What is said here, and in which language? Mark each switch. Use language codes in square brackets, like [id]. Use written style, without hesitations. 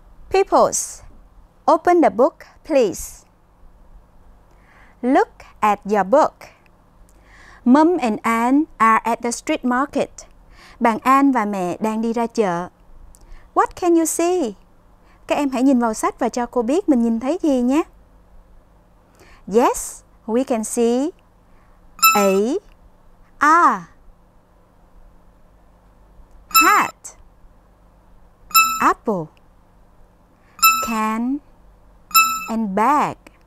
[en] Peoples, open the book, please. Look at your book. Mum and Anne are at the street market. [vi] Bạn Anne và mẹ đang đi ra chợ. [en] What can you see? [vi] Các em hãy nhìn vào sách và cho cô biết mình nhìn thấy gì nhé. [en] Yes, We can see a, a hat, apple, can, and bag.